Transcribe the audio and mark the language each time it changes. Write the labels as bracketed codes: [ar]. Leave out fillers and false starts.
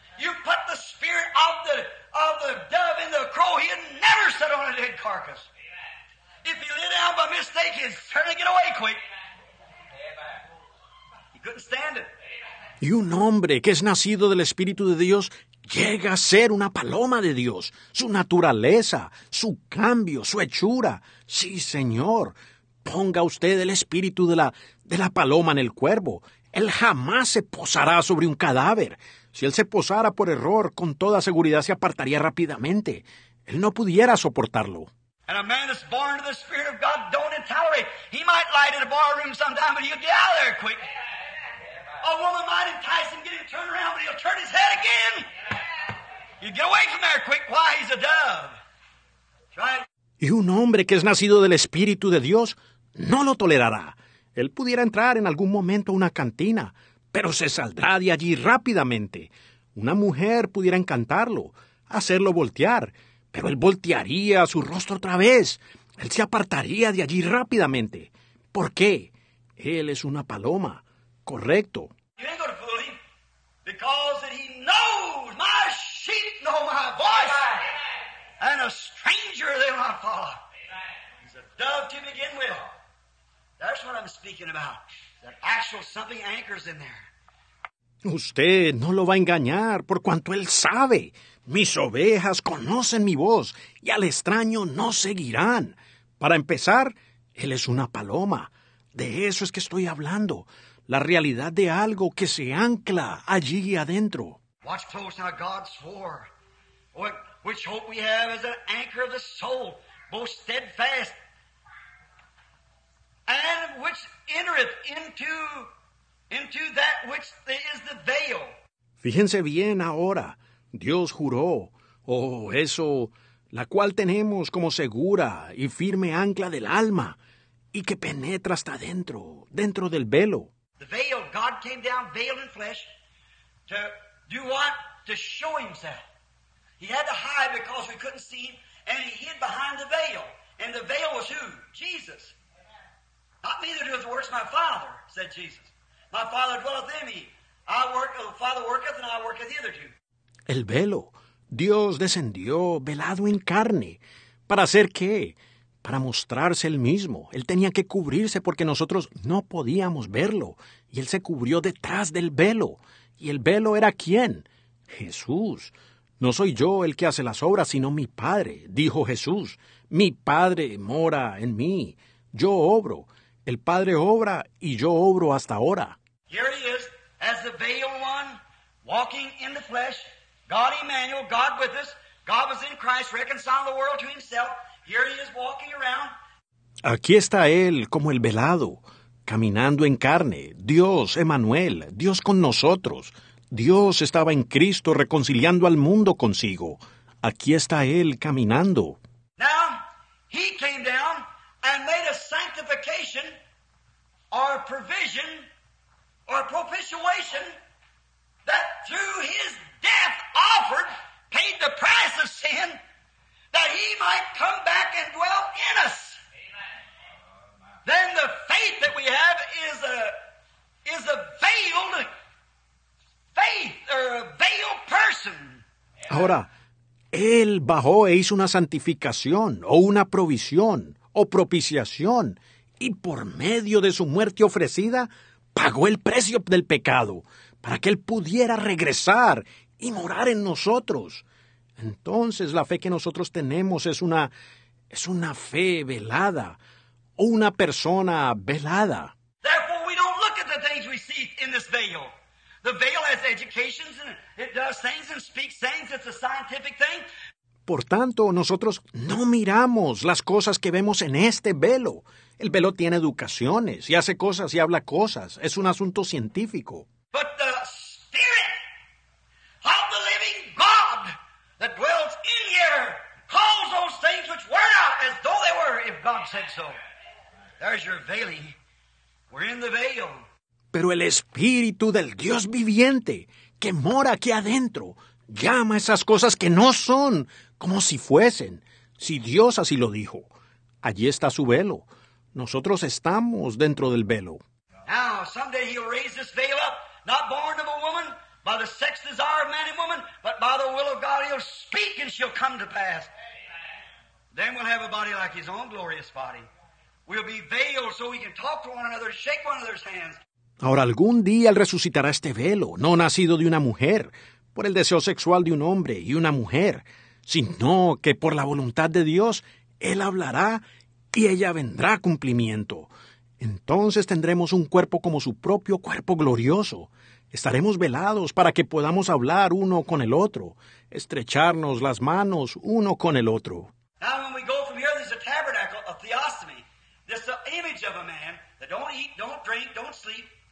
[en] You put the spirit of the dove in the crow, he'll never sit on a dead carcass. If he lay down by mistake, he'll certainly get away quick. He couldn't stand it. [es] Y un hombre que es nacido del Espíritu de Dios llega a ser una paloma de Dios. Su naturaleza, su cambio, su hechura. Sí, Señor. Ponga usted el espíritu de la paloma en el cuervo. Él jamás se posará sobre un cadáver. Si él se posara por error, con toda seguridad se apartaría rápidamente. Él no pudiera soportarlo. [en] And a man that's born to the Spirit of God don't intolerate. He might light in a barroom sometime, but he'll get out of there quick. A woman might entice him, get him turned around, but he'll turn his head again. You get away from there quick. Why? He's a dove. [es] Y un hombre que es nacido del Espíritu de Dios no lo tolerará. Él pudiera entrar en algún momento a una cantina, pero se saldrá de allí rápidamente. Una mujer pudiera encantarlo, hacerlo voltear, pero él voltearía su rostro otra vez. Él se apartaría de allí rápidamente. ¿Por qué? Él es una paloma. Correcto. [en] You ain't gonna fool him. Because that he knows my sheep know my voice. Amen. And a stranger they'll not follow. Amen. He's a dove to begin with. That's what I'm speaking about. That actual something anchors in there. [es] Usted no lo va a engañar, por cuanto él sabe. Mis ovejas conocen mi voz, y al extraño no seguirán. Para empezar, él es una paloma. De eso es que estoy hablando. La realidad de algo que se ancla allí adentro. [en] Watch close now, God swore. Which hope we have is an anchor of the soul, both steadfast, and which entereth into that which is the veil. [es] Fíjense bien ahora. Dios juró, eso, la cual tenemos como segura y firme ancla del alma, y que penetra hasta dentro del velo. [en] The veil, God came down veiled in flesh to do what? To show himself. He had to hide because we couldn't see him, and he hid behind the veil. And the veil was who? Jesus. Not me that doeth the works, my Father, said Jesus. My Father dwelleth in me. I work, the Father worketh, and I worketh hitherto. [es] El velo. Dios descendió velado en carne. ¿Para hacer qué? Para mostrarse él mismo. Él tenía que cubrirse porque nosotros no podíamos verlo. Y él se cubrió detrás del velo. ¿Y el velo era quién? Jesús. No soy yo el que hace las obras, sino mi Padre, dijo Jesús. Mi Padre mora en mí. Yo obro. El Padre obra y yo obro hasta ahora. [en] Here he is, as the veiled one, walking in the flesh. God Emmanuel, God with us. God was in Christ, reconciling the world to himself. Here he is walking around. [es] Aquí está él, como el velado, caminando en carne. Dios, Emmanuel, Dios con nosotros. Dios estaba en Cristo reconciliando al mundo consigo. Aquí está él caminando. [en] Now, he came down and made a sanctification or a provision or a propitiation that through his death offered, paid the price of sin, that he might come back and dwell in us. Amen. Then the faith that we have is a veiled faith or a veiled person. [es] Ahora, él bajó e hizo una santificación o una provisión o propiciación, y por medio de su muerte ofrecida, pagó el precio del pecado para que él pudiera regresar y morar en nosotros. Entonces, la fe que nosotros tenemos es una fe velada, o una persona velada. [en] Therefore, we don't look at the things we see in this veil. The veil has educations, and it does things and speaks things. It's a scientific thing. [es] Por tanto, nosotros no miramos las cosas que vemos en este velo. El velo tiene educaciones, y hace cosas y habla cosas. Es un asunto científico. [en] But the Spirit of the living God that dwells in here calls those things which were not as though they were, if God said so. There's your veiling. We're in the veil. [es] Pero el Espíritu del Dios viviente, que mora aquí adentro, llama esas cosas que no son como si fuesen. Si Dios así lo dijo, allí está su velo. Nosotros estamos dentro del velo. [en] Now, someday he'll raise this veil up, not born of a woman, by the sex desire of man and woman, but by the will of God he'll speak and she'll come to pass. Amen. Then we'll have a body like his own glorious body. We'll be veiled so we can talk to one another, shake one another's hands. [es] Ahora, algún día él resucitará este velo, no nacido de una mujer, por el deseo sexual de un hombre y una mujer, sino que por la voluntad de Dios, él hablará y ella vendrá a cumplimiento. Entonces tendremos un cuerpo como su propio cuerpo glorioso. Estaremos velados para que podamos hablar uno con el otro, estrecharnos las manos uno con el otro. [en] Now, when we go from here, there's a tabernacle, a theostomy. This is the image of a man that don't eat, don't drink, don't sleep.